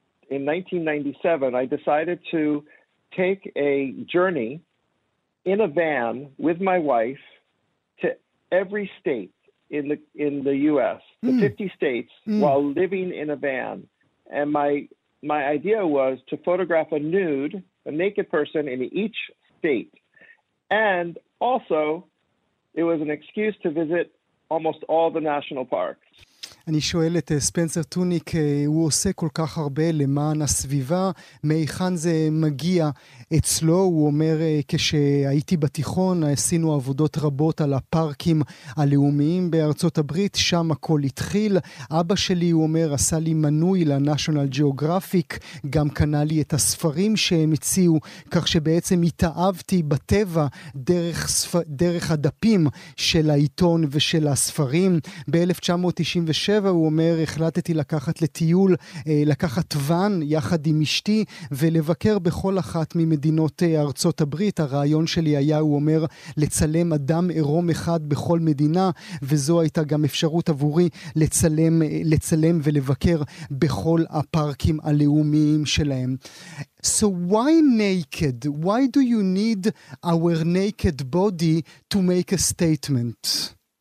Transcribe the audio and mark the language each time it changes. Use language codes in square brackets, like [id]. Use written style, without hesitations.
[en] 1997, I decided to take a journey in a van with my wife to every state in the U.S., the 50 states, while living in a van. And my idea was to photograph a naked person in each state. And also, it was an excuse to visit almost all the national parks. [he] אני שואל את ספנסר טוניק, הוא עושה כל כך הרבה למען הסביבה, מאיכן זה מגיע אצלו? הוא אומר, כשהייתי בתיכון, עשינו עבודות רבות על הפארקים הלאומיים בארצות הברית, שם הכל התחיל. אבא שלי, הוא אומר, עשה לי מנוי לנשיונל ג'אוגרפיק, גם קנה לי את הספרים שהם הציעו, כך שבעצם התאהבתי בטבע דרך הדפים של העיתון ושל הספרים. ב-1996, הוא אומר, החלטתי לקחת לטיול, לקחת ון יחד עם אשתי ולבקר בכל אחת ממדינות ארצות הברית. הרעיון שלי היה, הוא אומר, לצלם אדם עירום אחד בכל מדינה, וזו הייתה גם אפשרות עבורי לצלם ולבקר בכל הפארקים הלאומיים שלהם. [en] So why naked? Why do you need our naked body to make a statement?